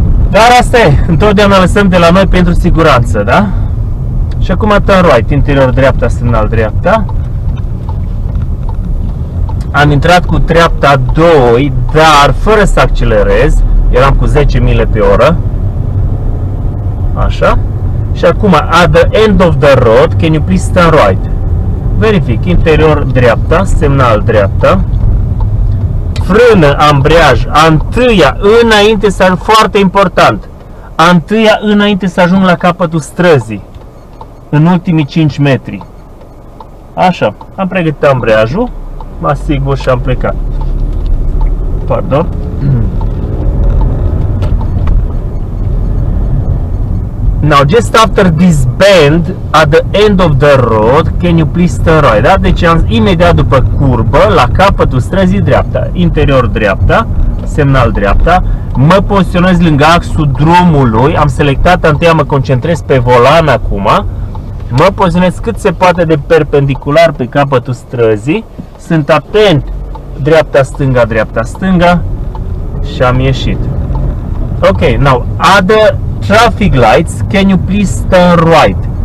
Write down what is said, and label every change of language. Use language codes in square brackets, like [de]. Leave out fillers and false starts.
[ro] Dar asta e, întotdeauna lăsăm de la noi pentru siguranță, da? Și acum turn right, interior dreapta, semnal dreapta. Am intrat cu treapta 2, dar fără să accelerez, eram cu 10 mile pe oră. Așa. [en] Și acum, at the end of the road, can you please turn right? [ro] Verific, interior dreapta, semnal dreapta. Frână, ambreiaj, întâia înainte să ajung, foarte important, întâia înainte să ajung la capătul străzii, în ultimii 5 metri. Așa, am pregătit ambreiajul, mă asigur și am plecat. Pardon. [en] Now, just after this bend, at the end of the road, can you please turn right? [ro] Da? Deci, imediat după curbă, la capătul străzii dreapta, interior dreapta, semnal dreapta, mă poziționez lângă axul drumului, am selectat, întâi mă concentrez pe volan acum, mă poziționez cât se poate de perpendicular pe capătul străzii, sunt atent, dreapta, stânga, dreapta, stânga, și am ieșit. [en] Ok, now, other traffic lights, can you please turn right?